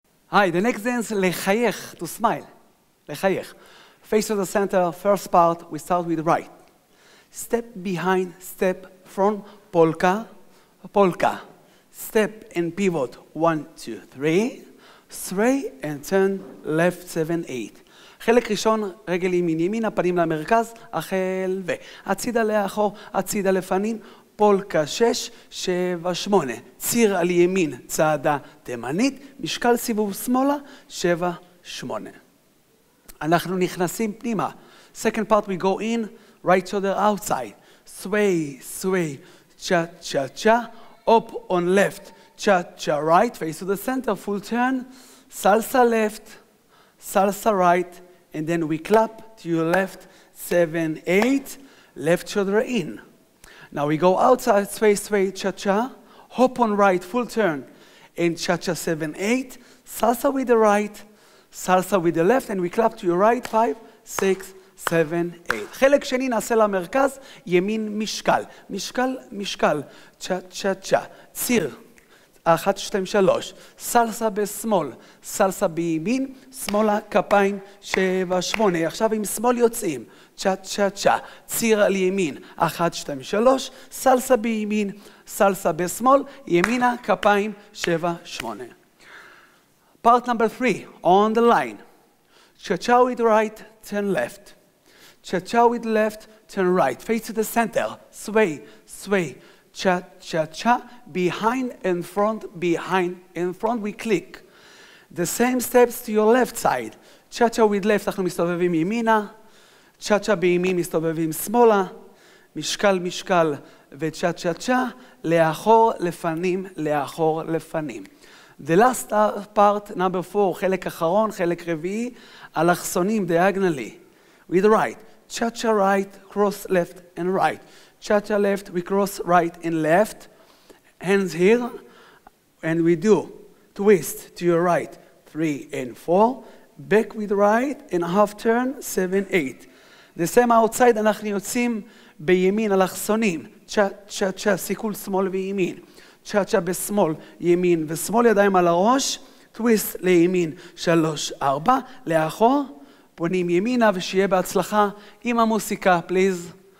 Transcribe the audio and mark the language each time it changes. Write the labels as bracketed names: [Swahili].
[English] Hi, the next dance, לחייך, to smile. לחייך. Face to the center, first part, we start with right. Step behind, step front, polka, polka. Step and pivot, one, two, three. Straight and turn, left, seven, eight. [Hebrew] חלק ראשון, רגל ימין, ימין, הפנים למרכז, החל ו. הצידה לאחור, הצידה לפנים, פולקה 6, 7, 8. ציר על ימין, צעדה תימנית, משקל סיבוב שמאלה, 7, 8. אנחנו נכנסים פנימה. [English] Second part, we go in, right shoulder outside. Sway, sway, cha, cha, cha. Up on left, cha, cha, right. Face to the center, full turn. Salsa left, salsa right. And then we clap to your left, 7, 8. Left shoulder in. Now we go outside, sway, sway, cha-cha, hop on right, full turn, and cha-cha, seven, eight, salsa with the right, salsa with the left, and we clap to your right, five, six, seven, eight. [Hebrew] חלק שני נעשה למרכז, ימין משקל, משקל, משקל, cha-cha-cha, ציר, אחת, שתיים, שלוש, salsa בשמאל, salsa בימין, שמאלה, כפיים, שבע, שמונה, עכשיו עם שמאל יוצאים, צ'ה צ'ה צ'ה, ציר על ימין, אחת, שתיים, שלוש, סלסה בימין, סלסה בשמאל, ימינה, כפיים, שבע, שמונה. [English] Part number three, on the line. צ'ה צ'ה with right, turn left. צ'ה צ'ה with left, turn right. Face to the center, sway, sway, צ'ה צ'ה צ'ה, behind and front, behind and front, we click. The same steps to your left side. [Hebrew] צ'ה צ'ה with left, אנחנו מסתובבים ימינה, צ'אצ'ה בימין מסתובבים שמאלה, משקל משקל וצ'אצ'אצ'ה, לאחור לפנים, לאחור לפנים. [English] The last part, number four, [Hebrew] חלק אחרון, חלק רביעי, אלכסונים, [English] diagonally. With right, צ'אצ'ה right, cross left and right. צ'אצ'ה left, we cross right and left. Hands here, and we do. Twist to your right, three and four. Back with right, and half turn, seven, eight. The same outside, [Hebrew] אנחנו יוצאים בימין, אלכסונים. צ'ה, צ'ה, צ'ה, סיכול שמאל וימין. צ'ה, צ'ה, בשמאל, ימין ושמאל, ידיים על הראש. טוויסט לימין, שלוש, ארבע, לאחור. פונים ימינה ושיהיה בהצלחה עם המוסיקה, פליז.